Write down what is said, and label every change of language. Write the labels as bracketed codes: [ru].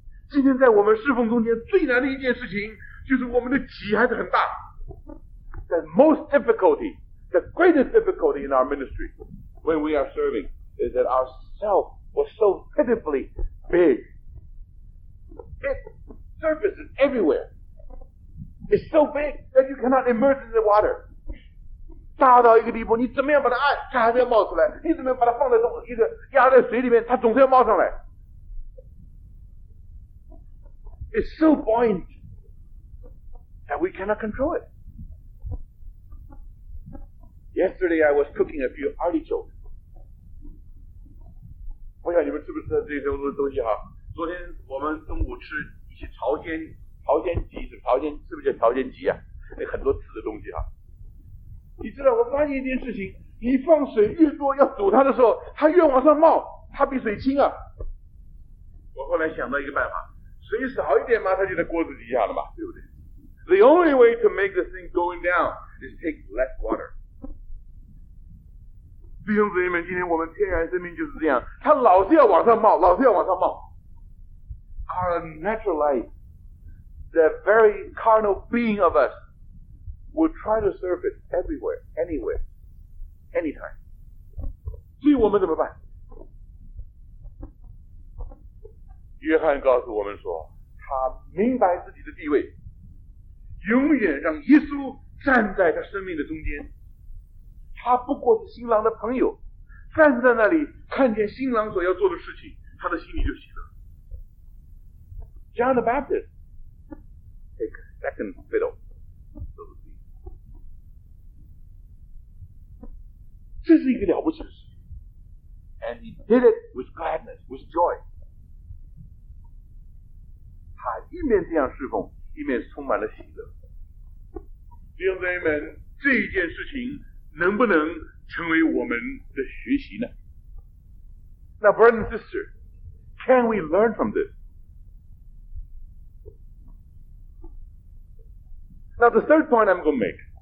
[zh] 今天在我们侍奉中间最难的一件事情，就是我们的己还是很大。 [en] The most difficulty, the greatest difficulty in our ministry when we are serving is that our self was so pitifully big. It surfaces everywhere. It's so big that you cannot immerse in the water. [zh] 大到一个地步，你怎么样把它按，它还是要冒出来；你怎么样把它放在中一个压在水里面，它总是要冒上来。 [en] It's so buoyant that we cannot control it. Yesterday I was cooking a few artichokes. [zh] 我想你们吃不吃这些东西哈？昨天我们中午吃一些朝鲜鸡，是朝鲜，是不是叫朝鲜鸡啊？那很多刺的东西哈。你知道我发现一件事情，你放水越多要煮它的时候，它越往上冒，它比水轻啊。我后来想到一个办法，水少一点嘛，它就在锅子底下了嘛，对不对？ [en] The only way to make this thing going down is take less water. [zh] 弟兄姊妹们，今天我们天然生命就是这样，它老是要往上冒，老是要往上冒。 [en] Our natural life, the very carnal being of usWe'll try to serve it everywhere, anywhere, anytime. [zh] 所以我们怎么办？约翰告诉我们说，他明白自己的地位，永远让耶稣站在他生命的中间。他不过是新郎的朋友，站在那里看见新郎所要做的事情，他的心里就喜乐。 [en] John the Baptist, take second fiddle. [zh] 这是一个了不起的事情。 [en] And he did it with gladness, with joy. [zh] 他一面这样侍奉，一面充满了喜乐。弟兄姊妹们，这一件事情能不能成为我们的学习呢？ [en] Now, brother and sister, can we learn from this? Now, the third point I'm going to make,